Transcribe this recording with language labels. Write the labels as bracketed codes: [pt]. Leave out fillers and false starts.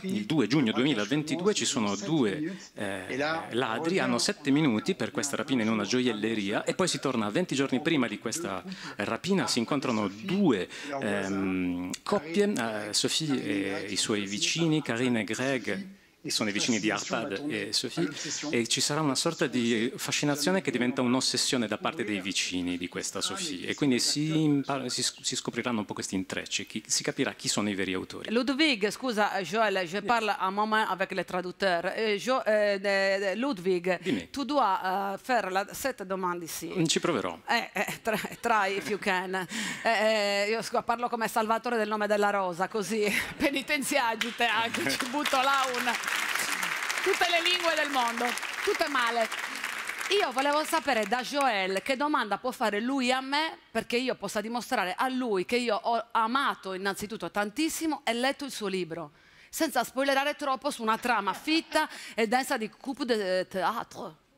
[it] Il 2 giugno 2022 ci sono due ladri, hanno 7 minuti per questa rapina in una gioielleria, e poi si torna 20 giorni prima di questa rapina, si incontrano due coppie, Sophie e i suoi vicini, Karine e Greg, sono i vicini di Arpad e Sophie, e ci sarà una sorta di fascinazione che diventa un'ossessione da parte dei vicini di questa Sophie, e quindi si scopriranno un po' questi intrecci, si capirà chi sono i veri autori. [fr] Ludwig, scusa Joël, je parle un moment avec le traducteur. Ludwig, [it] dimmi. [fr] Tu dois faire la 7 domande ici. [it] Ci proverò. [en] Try if you can. [it] Io parlo come Salvatore del nome della rosa, così penitenziagite anche, ci butto là una. Tutte le lingue del mondo, tutte male. Io volevo sapere da Joël che domanda può fare lui a me perché io possa dimostrare a lui che io ho amato innanzitutto tantissimo e letto il suo libro, senza spoilerare troppo su una trama fitta e densa di coupe de théâtre.